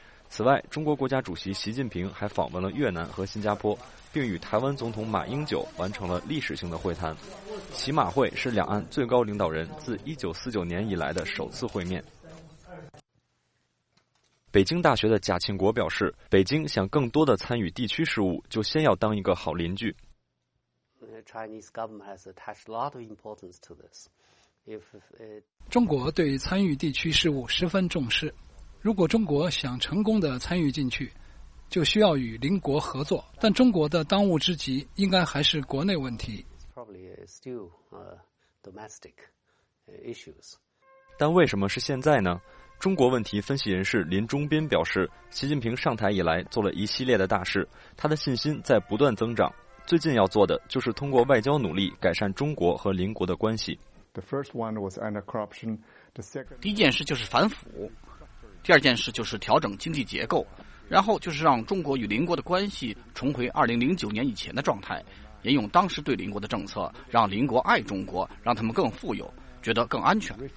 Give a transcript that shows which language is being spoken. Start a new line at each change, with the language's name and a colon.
Chinese: 此外，中国国家主席习近平还访问了越南和新加坡，并与台湾总统马英九完成了历史性的会谈。习马会是两岸最高领导人自1949年以来的首次会面。北京大学的贾庆国表示，北京想更多的参与地区事务，就先要当一个好邻居。
English: Chinese government has attached a lot of importance to this.
Chinese: 中国对参与地区事务十分重视。如果中国想成功的参与进去，就需要与邻国合作。但中国的当务之急应该还是国内问题。
English: Probably still domestic issues.
Chinese: 但为什么是现在呢？中国问题分析人士林中斌表示，习近平上台以来做了一系列的大事，他的信心在不断增长。最近要做的就是通过外交努力改善中国和邻国的关系。
English: The first one was anti-corruption. The second
Chinese: 第一件事就是反腐，第二件事就是调整经济结构，然后就是让中国与邻国的关系重回2009年以前的状态，沿用当时对邻国的政策，让邻国爱中国，让他们更富有，觉得更安全。